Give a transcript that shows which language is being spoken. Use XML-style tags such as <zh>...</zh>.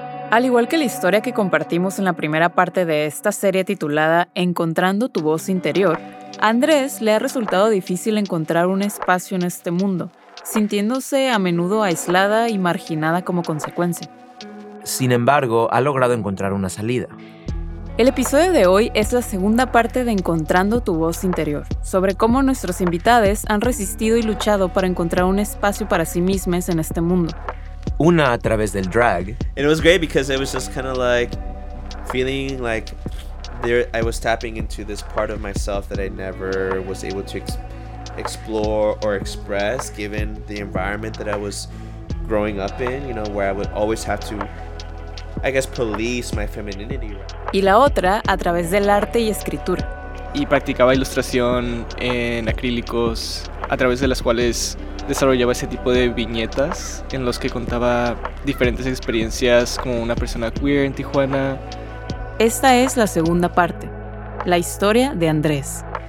<es>Al igual que la historia que compartimos en la primera parte de esta serie titulada Encontrando tu voz interior, a Andrés le ha resultado difícil encontrar un espacio en este mundo, sintiéndose a menudo aislada y marginada como consecuencia. Sin embargo, ha logrado encontrar una salida. El episodio de hoy es la segunda parte de Encontrando tu voz interior, sobre cómo nuestros invitados han resistido y luchado para encontrar un espacio para sí mismos en este mundo. Una a través del drag.</es> <en>It was great because it was just kind of like feeling like there I was tapping into this part of myself that I never was able to explore or express given the environment that I was growing up in, you know, where I would always have to, I guess, police my femininity.</en> <es>Y la otra a través del arte y escritura. Y practicaba ilustración en acrílicos a través de las cuales desarrollaba ese tipo de viñetas en los que contaba diferentes experiencias como una persona queer en Tijuana. Esta es la segunda parte, la historia de Andrés.</es>